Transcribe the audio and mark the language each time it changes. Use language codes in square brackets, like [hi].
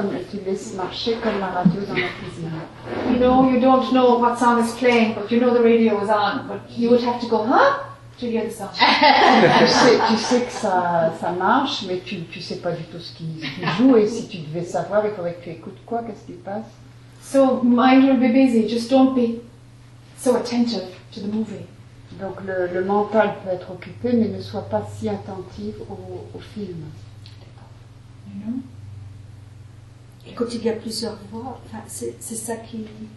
[fr] Tu laisses marcher comme la radio dans la cuisine. [en] You know, you don't know what song is playing, but you know the radio is on. But you would have to go, huh? To hear the song. [fr] tu sais que ça marche, mais tu sais pas du tout ce qui joue. Et si tu devais savoir, il faudrait que tu écoutes quoi? Qu'est-ce qui passe? [en] So, mind will be busy. Just don't be so attentive to the movie. [fr] Donc le mental peut être occupé, mais ne sois pas si attentif au film. Non. Et quand il y a plusieurs voix, c'est ça qui.